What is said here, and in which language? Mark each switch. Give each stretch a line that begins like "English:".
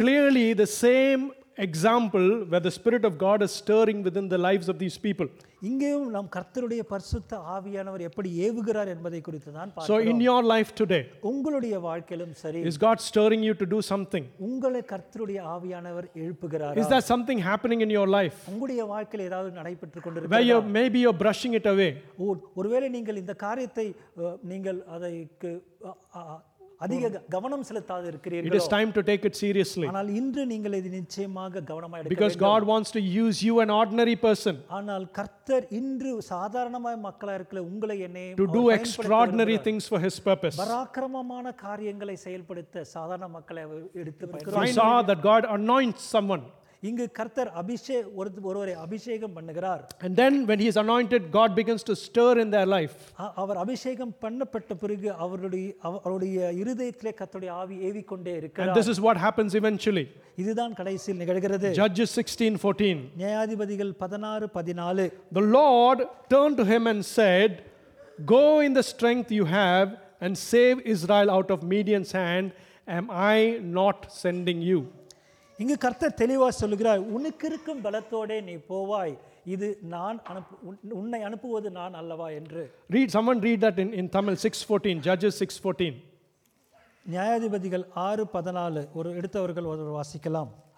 English: Clearly the same example where the spirit of God is stirring within the lives of these people.
Tamil: இங்கேயும் நாம் கர்த்தருடைய பரிசுத்த ஆவியானவர் எப்படி ஏவுகிறார் என்பதை குறித்து தான் பார்க்கிறோம்.
English: So in your life today,
Tamil: உங்களுடைய வாழ்க்கையிலும் சரி,
English: is God stirring you to do something?
Tamil: உங்களை கர்த்தருடைய ஆவியானவர் எழுப்புகிறாரா?
English: Is there something happening in your life?
Tamil: உங்களுடைய வாழ்க்கையில் ஏதாவது நடைபெற்றுக் கொண்டிருக்கிறதா?
English: Where you maybe you're brushing it away.
Tamil: ஒருவேளை நீங்கள் இந்த காரியத்தை நீங்கள் அதற்கு அதிக கவனம் செலுத்தாத இருக்கிறீர்கள்.
English: It is time to take it seriously.
Tamil: ஆனால் இன்று நீங்கள் இது நிச்சயமாக கவனமாக எடுக்க வேண்டும்.
English: Because God wants to use you an ordinary person.
Tamil: ஆனால் கர்த்தர் இன்று சாதாரணமாய் மக்களாக இருக்கிற உங்களை என்னை
English: to do extraordinary things for his purpose.
Tamil: பராக்கிரமமான காரியங்களை செயல்படுத்த சாதாரண மக்களை எடுத்து பார்க்கிறார்.
English: He saw that God anoints someone.
Tamil: இங்கு கர்த்தர் அபிஷேக ஒருவரை அபிஷேகம் பண்ணுகிறார்.
English: And then when he is anointed, God begins to stir in their life.
Tamil: அவர் அபிஷேகம் பண்ணப்பட்ட பிறகு அவருடைய இருதயத்திலே கர்த்தருடைய ஆவி ஏவிக்கொண்டே இருக்கிறார்.
English: And this is what happens eventually.
Tamil: இதுதான் கடைசியில் நிகழ்கிறது.
English: Judges 16:14.
Tamil: நியாயாதிபதிகள் 16:14.
English: The Lord turned to him and said, Go in the strength you have and save Israel out of Midian's hand. Am I not sending you?
Tamil: இங்க கர்த்தர் தெளிவாக சொல்கிறார், உனக்கு இருக்கும் பலத்தோட நீ போவாய், இது நான் உன்னை அனுப்புவது நான் அல்லவா என்று.
English: Read, someone read that in Tamil, 6:14, Judges 6:14.
Tamil: நியாயாதிபதிகள் 6:14, ஒரு எடுத்தவர்கள் ஒருவர் வாசிக்கலாம்.